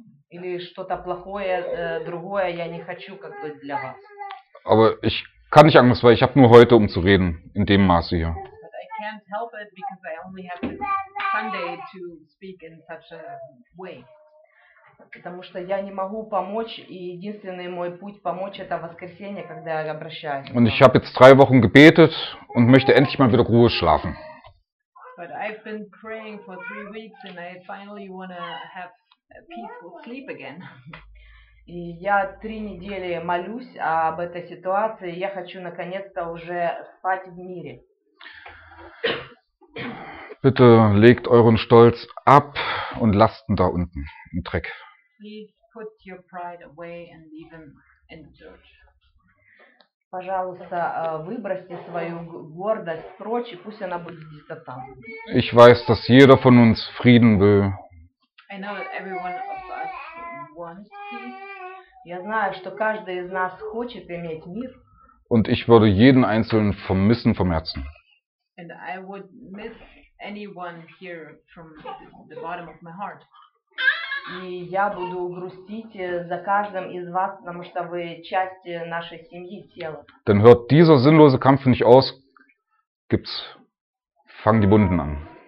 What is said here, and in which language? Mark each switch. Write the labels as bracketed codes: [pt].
[ru] Или что-то плохое, другое я не хочу, как бы, для вас. [de] Aber ich kann nicht anders, weil ich habe nur heute, um zu reden, in dem Maße hier. [en] But I can't help it, because I only have Sunday to speak in such a way. [ru] Потому что я не могу помочь, и единственный мой путь помочь – это воскресенье, когда я обращаюсь. [de] Und ich habe jetzt 3 Wochen gebetet und möchte endlich mal wieder Ruhe schlafen. [en] But I've been praying for 3 weeks and I finally want to have peaceful sleep again. [ru] И я 3 недели молюсь об этой ситуации, я хочу наконец-то уже спать в мире. [de] Bitte legt euren Stolz ab und lasst ihn da unten im Dreck. [en] Please put your pride away and leave him in the dirt. [ru] Пожалуйста, выбросьте свою гордость прочь, и пусть она будет где-то там. [de] Ich weiß, dass jeder von uns Frieden will. [en] I know that everyone of us wants peace. [ru] Я знаю, что каждый из нас хочет иметь мир. [de] Und ich würde jeden einzelnen vermissen vom Herzen. [en] And I would miss anyone here from the bottom of my heart. [ru] И я буду грустить за каждым из вас, потому что вы часть нашей семьи, тела. [de] Dann hört dieser sinnlose Kampf nicht aus, gibt's, fang die Wunden an.